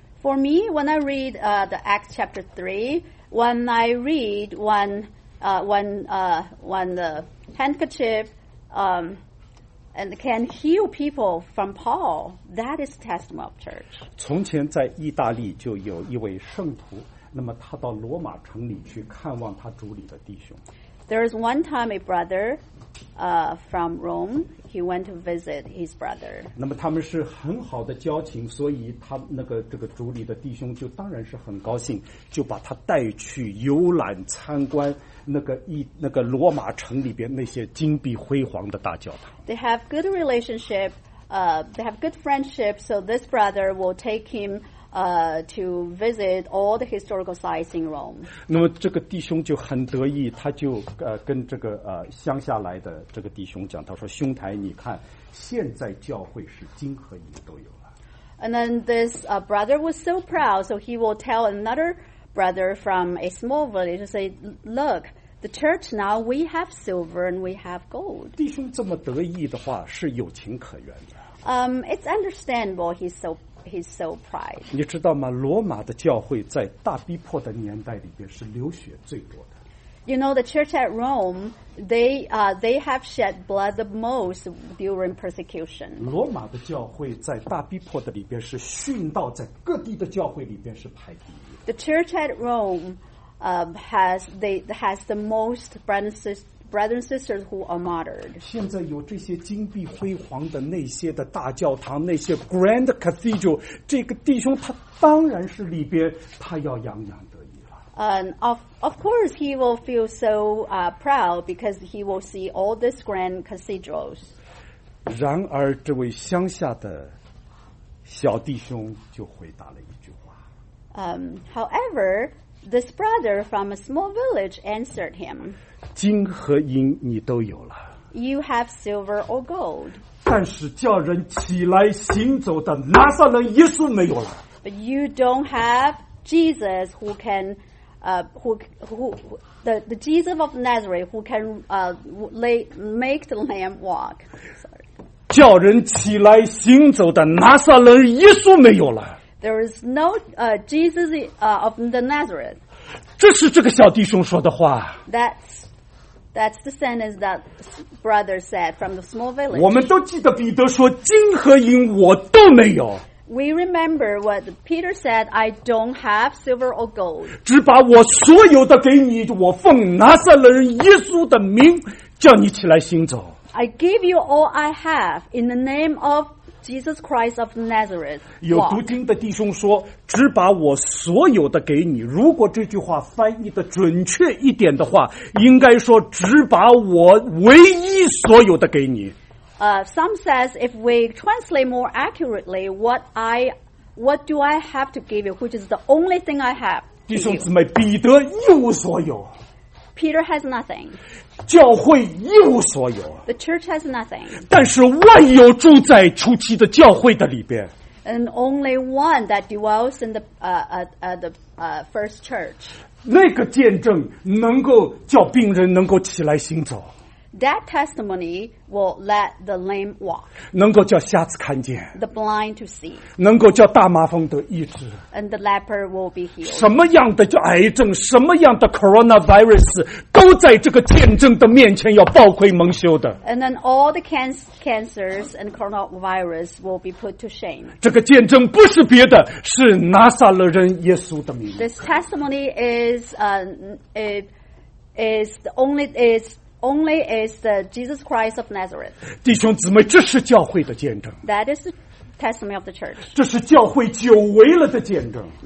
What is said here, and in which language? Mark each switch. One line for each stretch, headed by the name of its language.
English: For me, when I read the Acts chapter 3, when I read when the handkerchief and can heal people from Paul, that is testimony of church.
Chinese: 从前在意大利就有一位圣徒。那么他到罗马城里去看望他主里的弟兄。
English: There is one time a brother, from Rome, he went to visit his brother.
Chinese: 那么他们是很好的交情，所以他那个这个主里的弟兄就当然是很高兴，就把他带去游览参观那个罗马城里边那些金碧辉煌的大教堂。
English: They have good relationship, they have good friendship, so this brother will take him. To visit all the historical sites in Rome.
Chinese: 那么这个弟兄就很得意，他就跟这个乡下来的这个弟兄讲，他说：“兄台，你看，现在教会是金和银都有了。”
English: And then this brother was so proud, so he will tell another brother from a small village to say, "Look, the church now we have silver and we have gold."
Chinese: 弟兄这么得意的话是有情可原的。
English: It's understandable. He's so he's so proud.
Chinese: 你知道吗？罗马的教会在大逼迫的年代里边是流血最多的。
English: You know, the church at Rome, they have shed blood the most during persecution.
Chinese: 罗马的教会在大逼迫的里边是殉道，在各地的教会里边是排第一。
English: The church at Rome, has the most brothers and sisters who are martyred.
Chinese: 现在有这些金碧辉煌的那些的大教堂，那些
English: grand cathedral,
Chinese: 这个弟兄他当然是里边他要洋洋的。
English: And of course, he will feel so proud because he will see all these grand cathedrals.
Chinese: 然而，这位乡下的小弟兄就回答了一句话。
English: However, this brother from a small village answered him.
Chinese: 金和银你都有了。
English: You have silver or gold.
Chinese: 但是叫人起来行走的拿撒勒耶稣没有了。
English: But you don't have Jesus who can. The Jesus of Nazareth who can make the lamb walk. Sorry.
Chinese: 叫人起来行走的拿撒勒耶稣没有了。
English: There is no Jesus of the Nazareth.
Chinese: 这是这个小弟兄说的话。
English: That's the sentence that brother said from the small village.
Chinese: 我们都记得彼得说金和银我都没有。
English: We remember what Peter said, I don't have silver or gold.
Chinese: 只把我所有的给你，我奉拿撒勒人耶稣的名叫你起来行走。
English: I give you all I have in the name of Jesus Christ of Nazareth.
Chinese: 有读经的弟兄说，只把我所有的给你。如果这句话翻译的准确一点的话，应该说只把我唯一所有的给你。
English: Some says if we translate more accurately, what do I have to give you, which is the only thing I have.
Chinese: 弟兄姊妹，彼得一无所有。
English: Peter has nothing.
Chinese: 教会一无所有。
English: The church has nothing.
Chinese: 但是万有住在初期的教会的里边。
English: And only one that dwells in the first church.
Chinese: 那个见证能够叫病人能够起来行走。
English: That testimony will let the lame walk.
Chinese: 能够叫瞎子看见。
English: The blind to see.
Chinese: 能够叫大麻风得医治。
English: And the leper will be healed.
Chinese: 什么样的叫癌症，什么样的 coronavirus, 都在这个见证的面前要暴愧蒙羞的。
English: And then all the cancers and coronavirus will be put to shame.
Chinese: 这个见证不是别的，是拿撒勒人耶稣的名。
English: This testimony is the Jesus Christ of Nazareth.
Chinese: 弟兄姊妹，这是教会的见证。
English: That is the testimony of the church.
Chinese: 这是教会久违了的见证。